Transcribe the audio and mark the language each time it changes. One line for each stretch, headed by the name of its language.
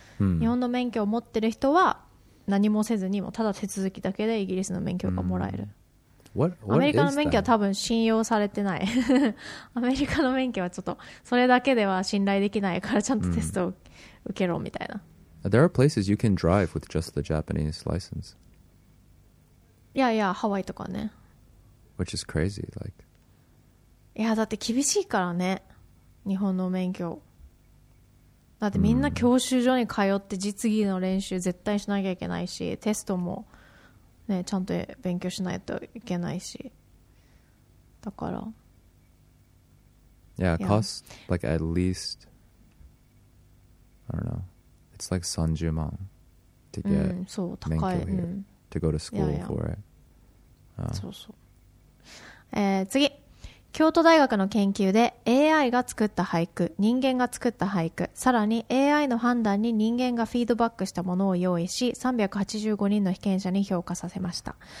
Japanese: うん、日本の免許を持ってる人は何もせずにもただ手続きだけでイギリスの免許がもらえる、
English: mm. what, what
Japanese: アメリカの免許は多分信用されてないアメリカの免許はちょっとそれだけでは信頼できないからちゃんとテストを受けろみたいな、 mm.
English: There are places you can drive with just the Japanese license
Japanese: いやいやハワイとかね
English: Which is crazy like
Japanese: いやだって厳しいからね日本の免許だってみんな教習所に通って実技の練習絶対しなきゃいけないしテストも、ね、ちゃんと勉強しないといけないしだから
English: Yeah, it costs like at least I don't know It's like 30 万 to get 免許 here、
Japanese: うん、
English: to go to school
Japanese: いやいや
English: for it、
Japanese: そうそう、次京都大学の研究で AI が作った俳句、人間が作った俳句、さらに AI の判断に人間がフィードバックしたものを用意し、385人の被験者に評価させました。